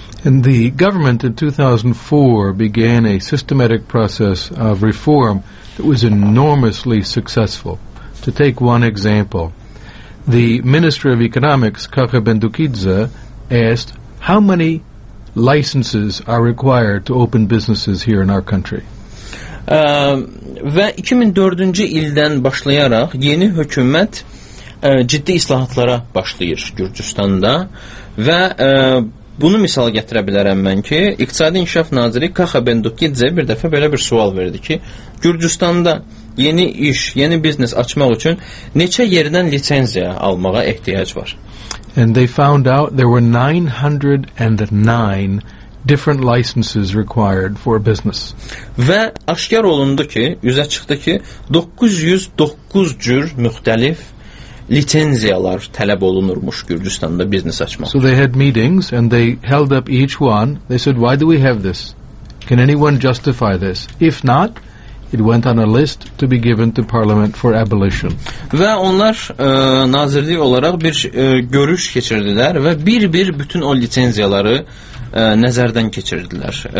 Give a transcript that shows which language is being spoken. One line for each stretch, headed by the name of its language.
English: And the government in 2004 began a systematic process of reform that was enormously successful. To take one example, the Minister of Economics, Kaka Bendukidze, asked, how many licenses are required to open businesses here in our country?
Azerbaijani: Və 2004-cü ildən başlayaraq yeni hökumət ciddi islahatlara başlayır Gürcüstanda və bunu misal gətirə bilərəm mən ki, İqtisadi İnkişaf Naziri Kaka Bendukidze bir dəfə belə bir sual verdi ki, Gürcüstanda yeni iş, yeni biznes açmaq üçün neçə yerdən lisenziya almağa ehtiyac var?
English: And they found out there were 909 different licenses required for a business.
Azerbaijani: Və aşkar olundu ki, üzə çıxdı ki, 909 cür müxtəlif lisenziyalar tələb olunurmuş Gürcüstanda biznes açmaq.
English: So they had meetings and they held up each one. They said, why do we have this? Can anyone justify this? If not, it went on a list to be given to parliament for abolition.
Azerbaijani: Və onlar nazirlik olaraq bir görüş keçirdilər və bir-bir bütün o lisenziyaları nəzərdən keçirdilər.